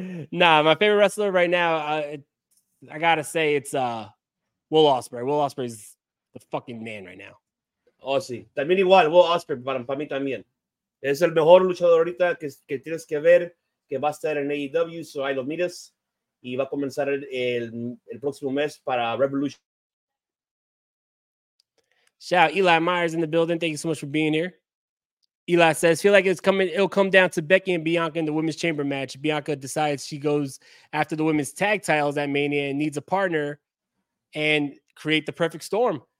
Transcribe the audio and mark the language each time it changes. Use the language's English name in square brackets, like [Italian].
[English] Nah, my favorite wrestler right now, I got to say it's Will Ospreay. Will Ospreay is the fucking man right now. [Spanish] Oh, sí. También igual, Will Ospreay, para mí también. Es el mejor luchador ahorita que tienes que ver, que va a estar en AEW, so ahí lo miras, y va a comenzar el próximo mes para Revolution. [English] Shout out, Eli Myers in the building. Thank you so much for being here. Eli says, feel like it'll come down to Becky and Bianca in the Women's Chamber match. Bianca decides she goes after the women's tag titles at Mania and needs a partner and create the perfect storm.